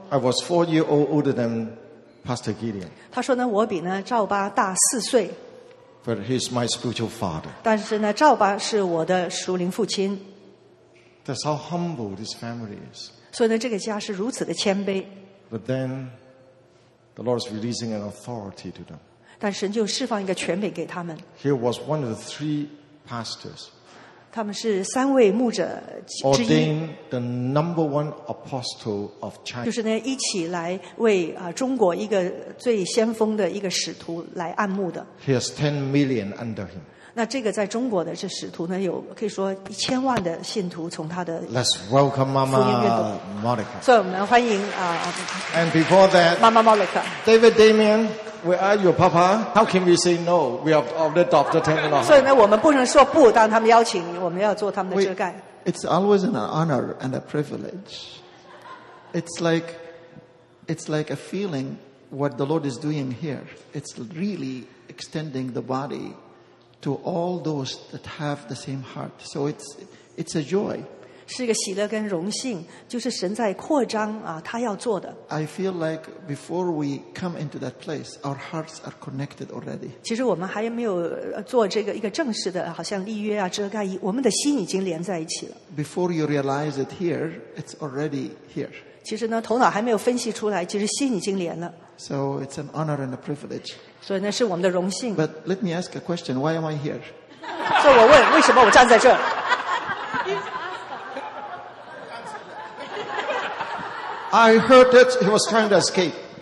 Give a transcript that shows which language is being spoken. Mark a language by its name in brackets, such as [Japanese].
[English] I was 4 years older than Pastor Gideon. [Chinese] 他说呢，我比呢赵巴大4岁。 [English] But he's my spiritual father. [Chinese] 但是呢，赵巴是我的属灵父亲。 [English] That's how humble this family is. [Chinese] 所以呢，这个家是如此的谦卑。 [English] But then, the Lord is releasing an authority to them. [Chinese] 但神就释放一个权柄给他们。 [English] He was one of the 3 pastors. [Chinese] 他们是三位牧者之一。 [English] Ordained the number one apostle of China. [Chinese] 就是呢，一起来为中国一个最先锋的一个使徒来按牧的。 [English] He has 10 million under him. [Chinese] 那这个在中国的这使徒呢，有可以说10,000,000的信徒从他的福音运动。 [English] Let's welcome Mama Monica. [Chinese] 所以我们欢迎啊。 [English] And before that, Mama Monica, David Damien, where are your papa? How can we say no? We have already adopted Tamil. [Chinese] 所以呢，我们不能说不，当他们邀请我们要做他们的遮盖。 [English] It's always an honor and a privilege. It's like a feeling what the Lord is doing here. It's really extending the body. To all those that have the same heart, so it's a joy. [Chinese] 是一个喜乐跟荣幸，就是神在扩张啊，他要做的。 [English] I feel like before we come into that place, our hearts are connected already. [Chinese] 其实我们还没有做这个一个正式的，好像立约啊、遮盖，我们的心已经连在一起了。 [English] Before you realize it here, it's already here. [Chinese] 其实呢，头脑还没有分析出来，其实心已经连了。 [English] So it's an honor and a privilege. [Chinese] 所以那是我们的荣幸。 [English] But let me ask a question. Why am I here? [Chinese] 所以我问为什么我站在这儿。 [English] I heard that he was trying to escape.